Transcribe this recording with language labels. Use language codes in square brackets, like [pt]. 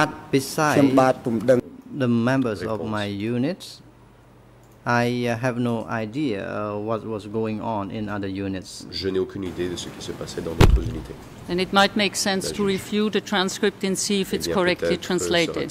[en] Besides the members of my units, I have no idea what was going on in other units. [fr] Je n'ai aucune idée de ce qui se passait dans d'autres unités. [en] And it might make sense to review the transcript and see if it's correctly translated.